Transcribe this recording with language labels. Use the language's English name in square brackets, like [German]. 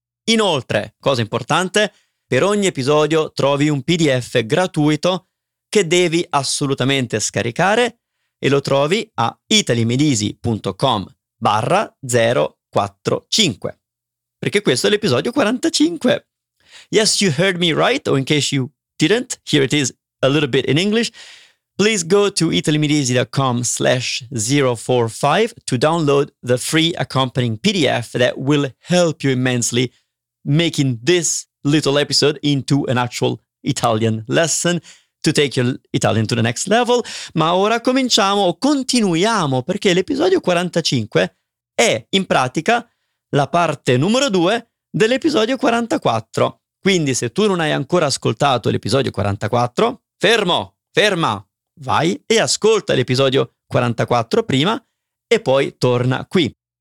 [Italian] Inoltre, cosa importante, per ogni episodio trovi un PDF gratuito che devi assolutamente scaricare e lo trovi a italymedeasy.com/045, perché questo è l'episodio 45. [English] Yes, you heard me right, or in case you didn't, here it is a little bit in English. Please go to italymedeasy.com/045 to download the free accompanying PDF that will help you immensely making this little episode into an actual Italian lesson to take your Italian to the next level. [Italian] Ma ora cominciamo, continuiamo, perché l'episodio 45 è in pratica la parte numero 2 dell'episodio 44. Quindi se tu non hai ancora ascoltato l'episodio 44, fermo, ferma, vai e ascolta l'episodio 44 prima e poi torna qui.